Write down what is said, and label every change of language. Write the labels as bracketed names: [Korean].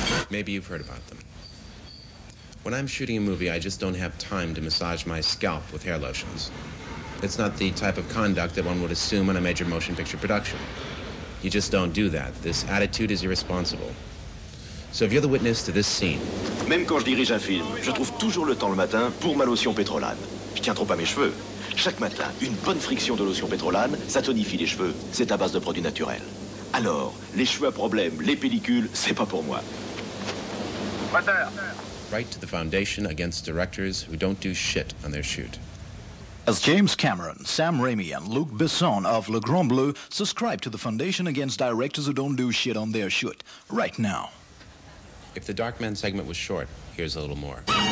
[English] Maybe you've heard about them. When I'm shooting a movie, I just don't have time to massage my scalp with hair lotions. It's not the type of conduct that one would assume in a major motion picture production. You just don't do that. This attitude is irresponsible. So if you're the witness to this scene... [French] Même quand je dirige un film, je trouve toujours le temps le matin pour ma lotion Pétrolane. Je tiens trop à mes cheveux. Chaque matin, une bonne friction de lotion Pétrolane, ça tonifie les cheveux. C'est à base de produits naturels. Alors, les cheveux à problème, les pellicules, c'est pas pour moi. Mater. [English] Right to the foundation against directors who don't do shit on their shoot. As James Cameron, Sam Raimi and Luc Besson of Le Grand Bleu subscribe to the foundation against directors who don't do shit on their shoot. Right now. If the Darkman segment was short, here's a little more.